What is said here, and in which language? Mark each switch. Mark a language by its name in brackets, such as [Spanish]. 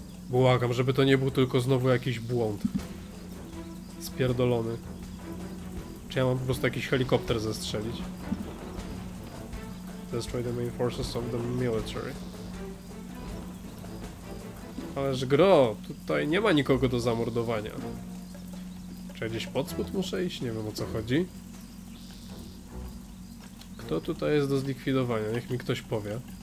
[Polish] Błagam, żeby to nie był tylko znowu jakiś błąd. Spierdolony. Czy ja mam po prostu jakiś helikopter zestrzelić? [English] Destroy the main forces of the military. [Polish] Ależ gro, tutaj nie ma nikogo do zamordowania. Czy ja gdzieś pod spód muszę iść? Nie wiem, o co chodzi. Kto tutaj jest do zlikwidowania? Niech mi ktoś powie.